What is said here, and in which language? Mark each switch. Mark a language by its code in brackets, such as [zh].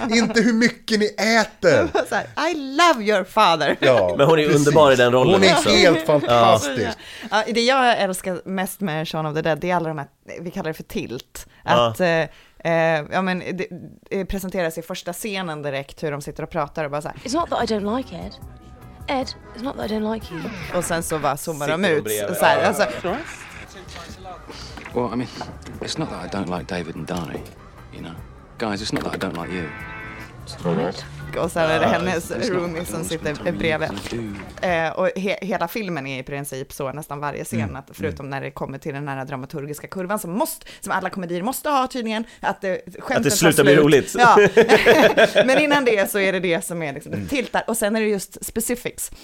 [sv] Inte hur mycket ni äter. [en] I love your father. [sv] Ja, men hon är underbar i den rollen. Hon är också helt fantastisk. Ja. Ja, det jag älskar mest med Shaun of the Dead, det är alla de här, vi kallar det för tilt. Att ja, men det presenteras i första scenen direkt hur de sitter och pratar och bara så här, [en] it's not that I don't like it. Ed, it's not that I don't like you. [sv] Och sen så bara zoomar de ut. Och så här, alltså, [en] well, I mean, it's not that I don't like David and Danny, you know. Guys, it's not that I don't like you. It's right. [sv] Och sen är det hennes roomie som sitter bredvid. Och hela filmen är i princip så, nästan varje scen, att förutom när det kommer till den här dramaturgiska kurvan som alla komedier måste ha tydligen, att det skämtet att det slutar bli roligt. Ja. Men innan det så är det det som är liksom, tiltar. Och sen är det just specifics.